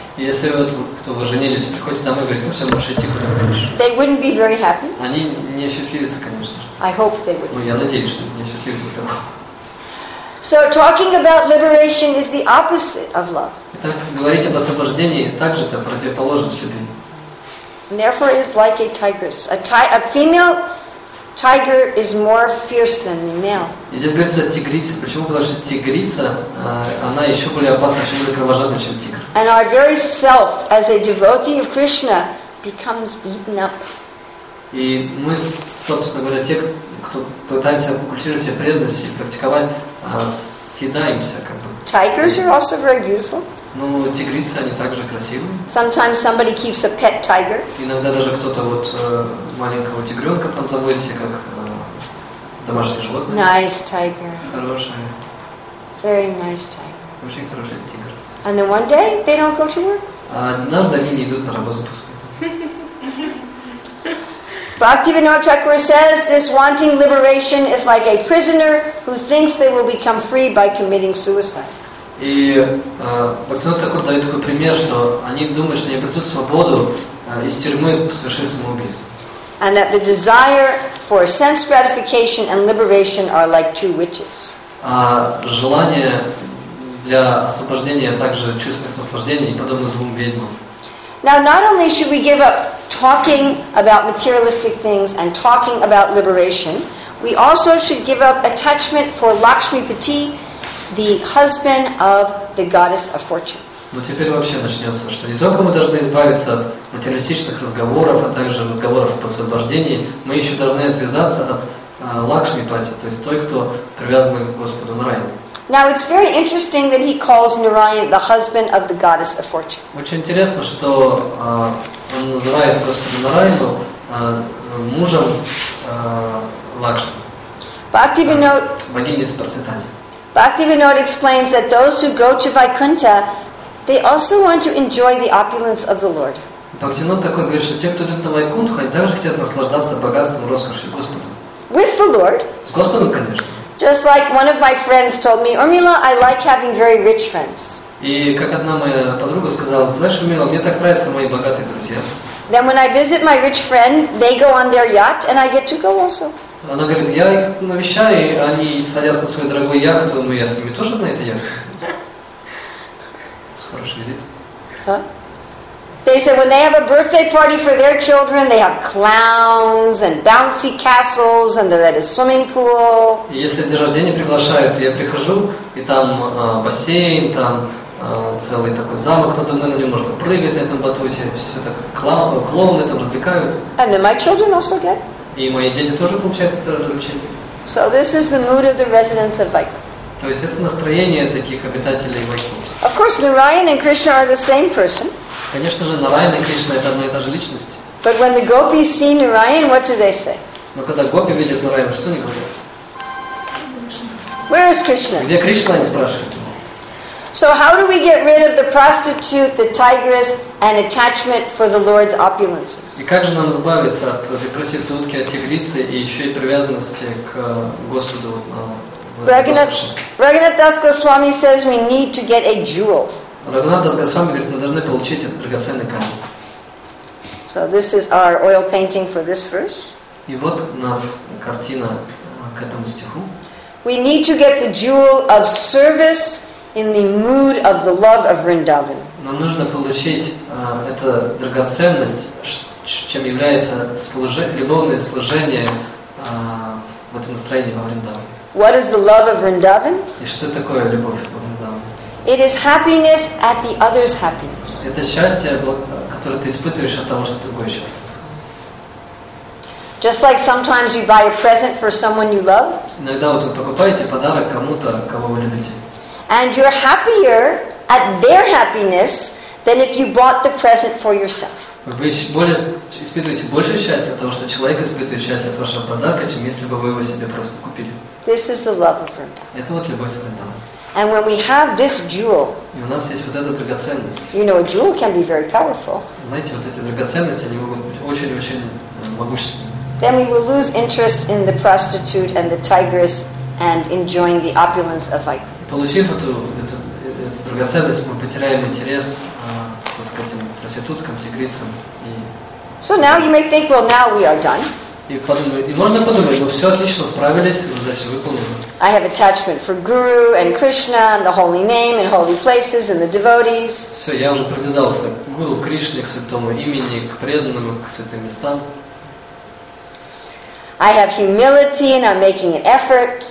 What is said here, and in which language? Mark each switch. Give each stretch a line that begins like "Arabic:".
Russian: если вот кто вы женились, приходите домой и говорите, ну все, можешь идти куда хочешь.
English: They wouldn't be very happy.
Russian: Они не осчастливятся, конечно.
English: I hope they would.
Russian: Ну я надеюсь, что не осчастливятся того.
English: So talking about liberation is the opposite of love.
Russian: Итак, говорить об освобождении также это противоположность любви.
English: Therefore, it is like a tigress. A female tiger is more fierce than the male.
Russian: И здесь говорится тигрица. Почему? Потому что тигрица, она еще более опасна, еще более кровожадна, чем тигр.
English: And our very self as a devotee of Krishna becomes eaten up.
Russian: И мы, собственно говоря, те, кто пытаемся культивировать себе преданность и практиковать, съедаемся как бы.
English: Tigers are also very beautiful.
Russian: Ну, тигрицы, они также красивы.
English: Sometimes somebody keeps a pet tiger.
Russian: Иногда даже кто-то вот маленького тигренка там заводит себе как домашнее животное.
English: Nice tiger.
Russian: Хорошая.
English: Very nice tiger.
Russian: Очень хороший тигр.
English: And then one day they don't go to work.
Russian: А однажды они не идут на работу после этого.
English: Bhaktivinoda Thakur says this wanting liberation is like a prisoner who thinks they will become free by committing suicide.
Russian: И Бхактивинода Такур дает такой пример, что они думают, что они обретут свободу из тюрьмы, совершив самоубийство.
English: And that the desire for sense gratification and liberation are like two witches.
Russian: А желание для освобождения также чувственных наслаждений подобно двум ведьмам.
English: Now, not only should we give up talking about materialistic things and talking about liberation, we also should give up attachment for Lakshmipati, the husband of the goddess of fortune.
Russian: Но теперь вообще начнется, что не только мы должны избавиться от материалистичных разговоров, а также разговоров по освобождению, мы еще должны отвязаться от Лакшмипати, то есть той, кто привязан к Господу Нарайан.
English: Now it's very interesting that he calls Narayan the husband of the goddess of fortune.
Russian: Очень интересно, что он называет Господа Нараяну мужем Лакшми. Богиня с процветанием.
English: Bhaktivinoda explains that those who go to Vaikuntha, they also want to enjoy the opulence of the Lord.
Russian: Bhaktivinoda такой говорит, что те, кто идет на Вайкунтху, они также хотят наслаждаться богатством, роскошью Господа.
English: With the Lord.
Russian: С Господом, конечно.
English: Just like one of my friends told me, "Urmila, I like having very rich friends."
Russian: И как одна моя подруга сказала, знаешь, Урмила, мне так нравятся мои богатые друзья.
English: Then when I visit my rich friend, they go on their yacht, and I get to go also.
Russian: Она говорит, я их навещаю, они садятся в свою дорогую яхту, но я с ними тоже на этой яхте.
English: They said when they have a birthday party for their children, they have clowns and bouncy castles, and they're at a swimming pool.
Russian: Если день рождения приглашают, я прихожу и там бассейн, там целый такой замок, кто-то на нем можно прыгать на этом батуте, все так клоуны там развлекают.
English: And then my children also get.
Russian: И мои дети тоже получают это развлечение.
English: So this is the mood of the residents of Vaikunth.
Russian: То есть это настроение таких обитателей Вайкунтха.
English: Of course, Narayan and Krishna are the same person.
Russian: Конечно же, Нараян и Кришна это одна и та же личность.
English: But when the gopis see Narayan, what do they say?
Russian: Но когда гопи видят Нараяна, что они говорят?
English: Where is Krishna?
Russian: Где Кришна, они спрашивают.
English: So how do we get rid of the prostitute, the tigress, and attachment for the Lord's opulences?
Russian: И как же нам избавиться от этой проститутки, от тигрицы и еще и привязанности к Господу?
English: Raghunath Das Goswami says we need to get a jewel.
Russian: Raghunath Das Goswami говорит, мы должны получить этот драгоценный камень.
English: So this is our oil painting for this verse.
Russian: И вот у нас картина к этому стиху.
English: We need to get the jewel of service in the mood of the love of Vrindavan.
Russian: Нам нужно получить эту драгоценность, чем является любовное служение в этом настроении во Вриндаване.
English: What is the love of Vrindavan?
Russian: И что такое любовь Вриндавана?
English: It is happiness at the other's happiness.
Russian: Это счастье, которое ты испытываешь от того, что другой счастлив.
English: Just like sometimes you buy a present for someone you love.
Russian: Иногда вот вы покупаете подарок кому-то, кого вы любите.
English: And you're happier at their happiness than if you bought the present for yourself.
Russian: Вы испытываете больше счастья от того, что человек испытывает счастье от вашего подарка, чем если бы вы его себе просто купили.
English: This is the love of Vrindavan.
Russian: Это вот любовь Вриндавана.
English: And when we have this jewel,
Russian: и у нас есть вот эта драгоценность.
English: You know, a jewel can be very powerful.
Russian: Знаете, вот эти драгоценности, они могут быть очень-очень могущественными.
English: Then we will lose interest in the prostitute and the tigress and enjoying the opulence of Vaikunth.
Russian: Получив эту драгоценность, мы потеряем интерес к этим проституткам, тигрицам.
English: So now you may think, well, now we are done.
Russian: И можно подумать, ну все отлично, справились, задачи выполнены.
English: I have attachment for Guru and Krishna and the holy name and holy places and the devotees.
Russian: Все, я уже привязался к Гуру, Кришне, к святому имени, к преданным, к святым местам.
English: I have humility and I'm making an effort.